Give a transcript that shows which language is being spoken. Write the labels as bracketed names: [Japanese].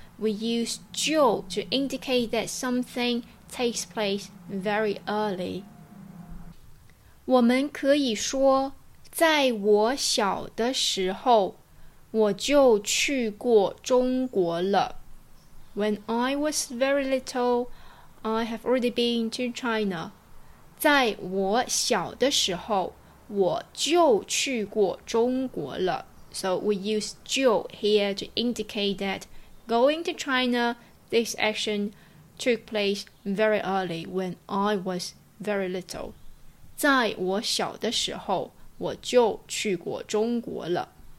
[English] We use 就 to indicate that something takes place very early。 [Chinese] 我们可以说，在我小的时候，我就去过中国了。 [English] When I was very little, I have already been to China。 [Chinese] 在我小的时候，我就去过中国了。 [English] So we use 就 here to indicate that going to China, this action took place very early when I was very little。 [Chinese] 在我小的时候，我就去过中国了。